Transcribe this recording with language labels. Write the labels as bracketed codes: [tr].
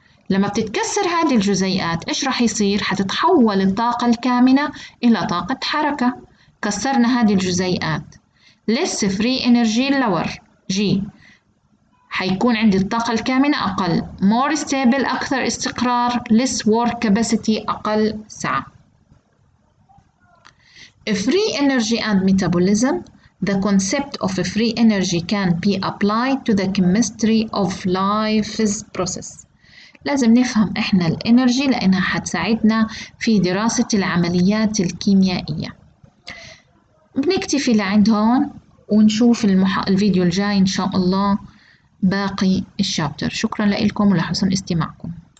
[ar] لما بتتكسر هذه الجزيئات إيش راح يصير؟ حتتحول الطاقة الكامنة إلى طاقة حركة، كسرنا هذه الجزيئات، [en] less free energy lower G، [ar] حيكون عندي الطاقة الكامنة أقل، [en] more stable [ar] أكثر استقرار، [en] less work capacity [ar] أقل سعة. [en] free energy and metabolism the concept of free energy can be applied to the chemistry of life's process. [ar] لازم نفهم إحنا الإنرجي لأنها حتساعدنا في دراسة العمليات الكيميائية. بنكتفي لعند هون ونشوف الفيديو الجاي إن شاء الله باقي الشابتر. شكرا لكم ولحسن استماعكم.